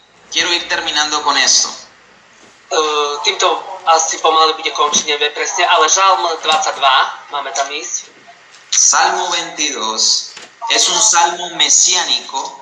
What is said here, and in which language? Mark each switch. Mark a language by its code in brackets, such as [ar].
[es] Quiero ir terminando con esto. [sk] Týmto asi pomaly bude končiť, neviem presne, ale Žalm 22, máme tam ísť. [es] Salmo 22 es un salmo mesiánico.